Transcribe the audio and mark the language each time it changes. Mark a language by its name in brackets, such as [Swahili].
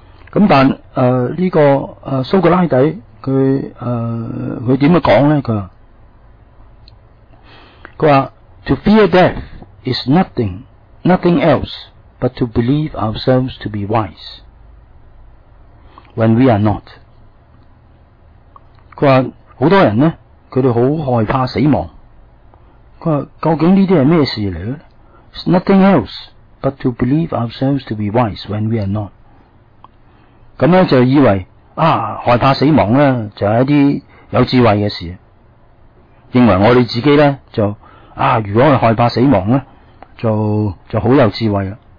[Cantonese] 咁但呢、這個蘇格拉底佢點樣講咧？佢話 [English] ：To fear death is nothing else but to believe ourselves to be wise when we are not。 [Cantonese] 佢話好多人咧，佢哋好害怕死亡。佢話究竟呢啲係咩事嚟咧 [English] ？It's nothing else but to believe ourselves to be wise when we are not。 [Cantonese] 咁咧就以為啊，害怕死亡咧就係一啲有智慧嘅事，認為我哋自己咧就啊，如果係害怕死亡咧，就好有智慧啦。